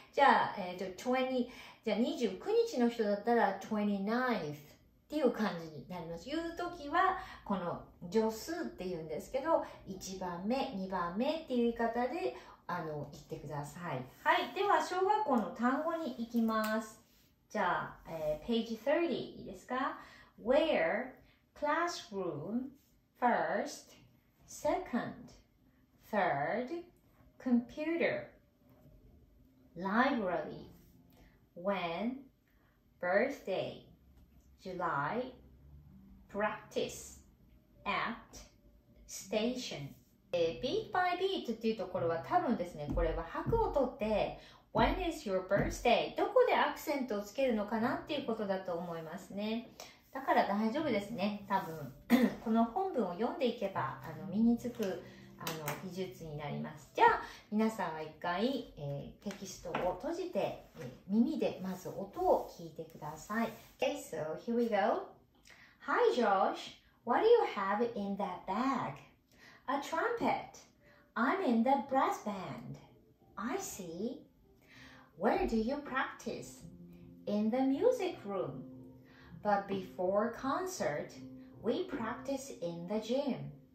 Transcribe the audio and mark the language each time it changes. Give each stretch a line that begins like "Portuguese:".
Japanese: じゃあ、20、じゃあ29日の人だったら 29th っていう感じになります。言う時はこの助数っていうんですけど、1番目2番目っていう言い方で言ってください。はい、では小学校の単語に行きます。じゃあ、ページ30いいですか。
English: Where, classroom, first, second, third, computer, library, when, birthday, July, practice, at, station。 beat by beat
Japanese: っていうところは、多分ですね、これは拍を取って
English: When is your birthday?
Japanese: どこでアクセントをつけるのかなっていうことだと思いますね。だから大丈夫ですね、多分この本文を読んでいけば身につく技術になります。じゃあ皆さんは一回、テキストを閉じて、耳でまず音を聞いてください。
English: Okay, so here we go. Hi Josh, what do you have in that bag? A trumpet. I'm in the brass band. I see. Where do you practice? In the music room. But before concert, we practice in the gym.